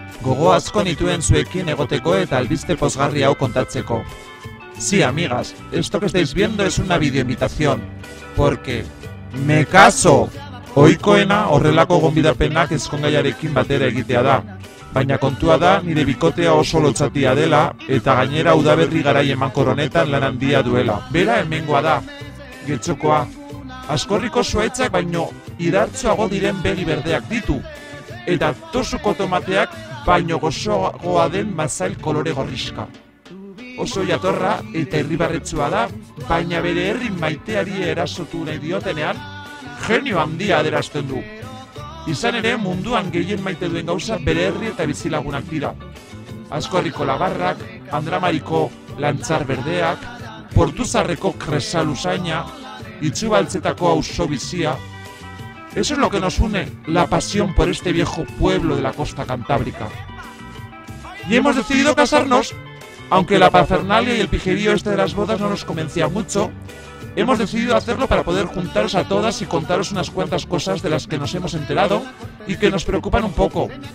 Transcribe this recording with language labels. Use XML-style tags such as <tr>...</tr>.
<eu>Gogo asko nituen zuekin egoteko eta albiste pozgarri hau kontatzeko.</eu> <es>Sí, amigas, esto que estáis viendo es una videoinvitación. Porque... ¡me caso!</es> <eu>Ohikoena horrelako gonbidapenak ezkongaiarekin batera egitea da. Baina kontua da, nire bikotea oso lotzatia dela, eta gainera udaberri garai emankor honetan lan handia duela. Bera hemengoa da, Getxokoa. Askorriko zuhaitzak baino idartzoago diren begi berdeak ditu. Eta tosuko tomateak baino gozoagoa den mazail kolore gorriska. Oso jatorra eta irribarretsua da, baina bere herri maiteari erasotu nahi diotenean, genio handia aderazten du. Izan ere, munduan gehien maite duen gauza bere herri eta bizilagunak dira. Askorriko labarrak, Andramariko lantzar berdeak, Portuzarreko kresal usaina, Itxubaltzetako auzo bizia.</eu> <es>Eso es lo que nos une, la pasión por este viejo pueblo de la costa cantábrica. Y hemos decidido casarnos, aunque la parafernalia y el pijerío este de las bodas no nos convencía mucho, hemos decidido hacerlo para poder juntaros a todas y contaros unas cuantas cosas de las que nos hemos enterado y que nos preocupan un poco.</es>